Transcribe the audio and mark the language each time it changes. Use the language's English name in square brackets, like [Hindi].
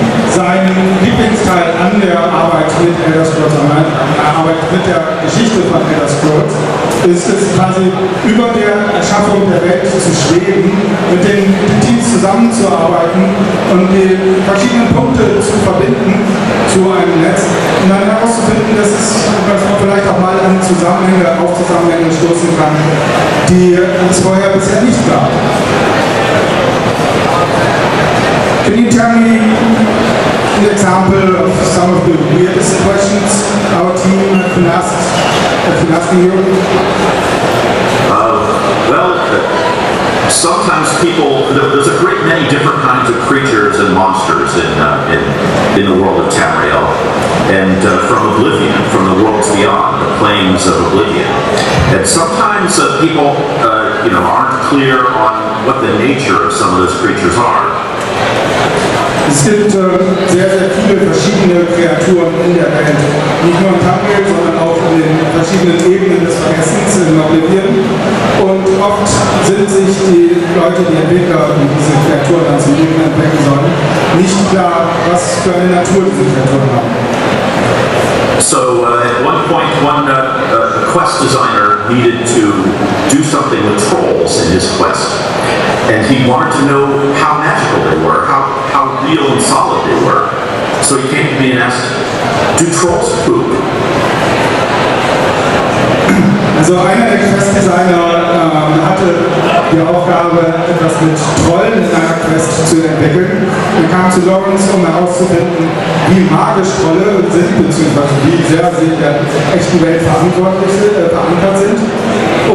[German] Sein Lieblingsteil an der Arbeit mit Elder Scrolls Online, an der Arbeit mit der Geschichte von Elder Scrolls, ist es quasi über der Erschaffung der Welt zu schweben, mit den Teams zusammenzuarbeiten und die verschiedenen Punkte zu verbinden zu einem Netz und dann herauszufinden, dass man vielleicht auch mal an Zusammenhänge, auf Zusammenhänge stoßen kann, die es vorher bisher nicht gab. [English] Can you tell me an example of some of the weirdest questions our team have been asking you? Sometimes people, there's a great many different kinds of creatures and monsters in the world of Tamriel. And from Oblivion, from the worlds beyond, the plains of Oblivion. And sometimes people aren't clear on what the nature of some of those creatures are. [German] Es gibt sehr, sehr viele verschiedene Kreaturen in der Welt. Nicht nur in Tamriel, sondern auch in den verschiedenen Ebenen des Vergessens in Oblivion. Und oft sind sich die Leute, die Entwickler, die diese Kreaturen dann zum Leben entdecken sollen, nicht klar, was für eine Natur diese Kreaturen haben. [English] So, at one point, a quest designer needed to do something with trolls in his quest. And he wanted to know how magical they were, how real and solid they were. So he came to me and asked, do trolls poop? [German] Also einer der Questdesigner hatte die Aufgabe, etwas mit Trollen in einer Quest zu entwickeln. Er kam zu Lawrence, um herauszufinden, wie magisch Trolle sind, beziehungsweise wie sehr sie in der echten Welt verankert sind.